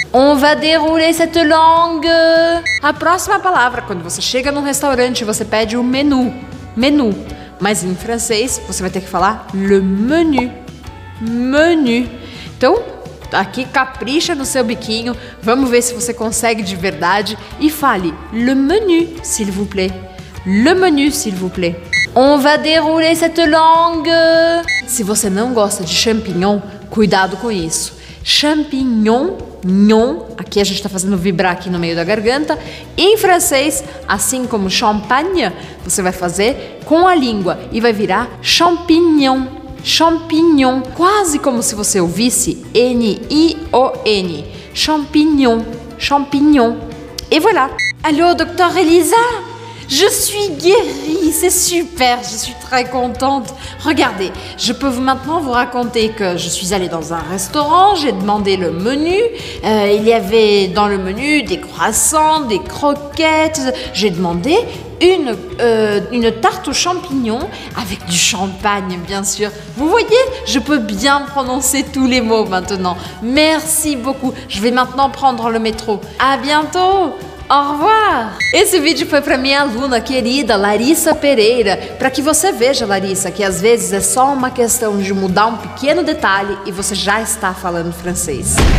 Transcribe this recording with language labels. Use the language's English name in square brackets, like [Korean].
[French] On va dérouler cette langue. [Portuguese] A próxima palavra, quando você chega num restaurante, você pede o menu. Menu. Mas em francês, você vai ter que falar le menu. Menu. Então, aqui capricha no seu biquinho. Vamos ver se você consegue de verdade. E fale [French] le menu, s'il vous plaît. Le menu, s'il vous plaît. On va dérouler cette langue. [Portuguese] Se você não gosta de champignon, cuidado com isso. Champignon, nhon, aqui a gente tá fazendo vibrar aqui no meio da garganta. Em francês, assim como champagne, você vai fazer com a língua e vai virar champignon. Champignon, quase como se você ouvisse N-I-O-N. [French] Champignon, champignon. Et voilà. Allô, Dr. Elisa? Je suis guérie, c'est super, je suis très contente. Regardez, je peux maintenant vous raconter que je suis allée dans un restaurant, j'ai demandé le menu, il y avait dans le menu des croissants, des croquettes, j'ai demandé une tarte aux champignons avec du champagne, bien sûr. Vous voyez, je peux bien prononcer tous les mots maintenant. Merci beaucoup, je vais maintenant prendre le métro. À bientôt. Au revoir! [Portuguese] Esse vídeo foi para minha aluna querida, Larissa Pereira. Para que você veja, Larissa, que às vezes é só uma questão de mudar um pequeno detalhe e você já está falando francês.